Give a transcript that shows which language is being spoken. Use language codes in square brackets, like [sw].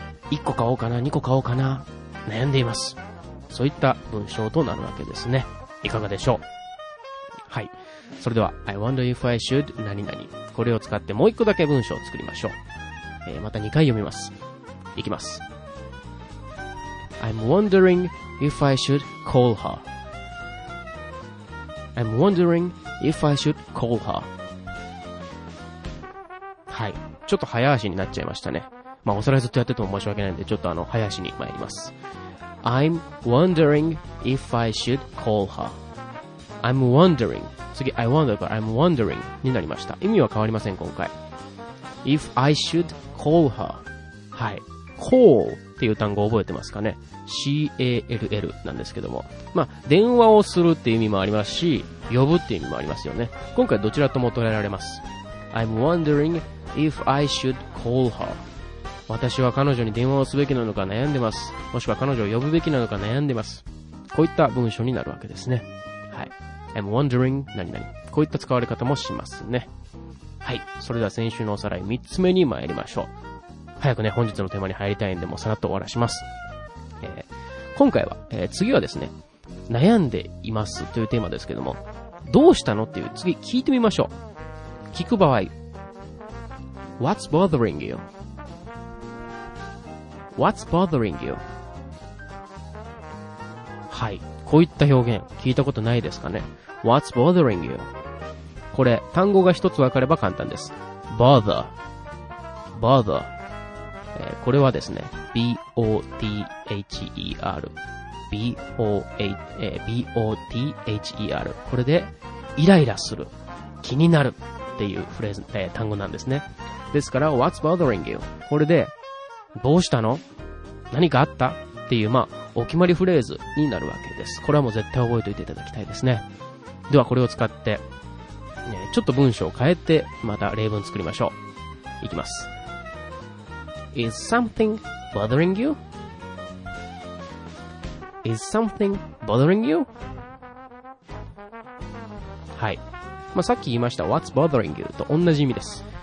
[ja] 1個買おうかな、2個買おうかな、悩んでいます。そういった文章となるわけですね。いかがでしょう。はい。それでは、I wonder if I should 何々。これを使ってもう1個だけ文章を作りましょう。また2回読みます。いきます。 [en] I'm wondering if I should call her. I'm wondering if I should call her. [ja] はい。ちょっと早足になっちゃいましたね。まあ、おさらいずっとやってても申し訳ないんで、ちょっと早足に参ります。 [en] I'm wondering if I should call her. I'm wondering. [ja] 次、I wonder から I'm wondering になりました。意味は変わりません、今回。 [en] If I should call her. はい。 [ja] call っていう単語を覚えてますかね。call なんですけども。まあ、電話をするっていう意味もありますし、呼ぶっていう意味もありますよね。今回どちらとも捉えられます。 [en] I'm wondering if I should call her. [ja] 私は彼女に電話をすべきなのか悩んでます。もしくは彼女を呼ぶべきなのか悩んでます。こういった文章になるわけですね。はい。 [en] I'm wondering 何々。 [ja] こういった使われ方もしますね。はい。それでは先週のおさらい3つ目に参りましょう。早くね、本日のテーマに入りたいんで、もうさらっと終わらします。今回は、次はですね、悩んでいますというテーマですけども、どうしたのっていう、次聞いてみましょう。聞く場合、 [en] What's bothering you? What's bothering you? [ja] はい、こういった表現、聞いたことないですかね。 [en] What's bothering you? [ja] これ、単語が一つ分かれば簡単です。 [en] Bother。 Bother。 [ja] これはですね、B-O-T-H-E-R B-O-T-H-E-R これでイライラする、気になるっていうフレーズ、単語なんですね。 [en] ですから What's bothering you? [ja] これでどうしたの、何かあったっていう、まあお決まりフレーズになるわけです。これはもう絶対覚えておいていただきたいですね。ではこれを使って、ね、ちょっと文章を変えてまた例文作りましょう。いきます。 [en] Is something bothering you? Is something bothering you? [ja] はい。まあ、さっき言いました [en] What's bothering you? [ja] と同じ意味です。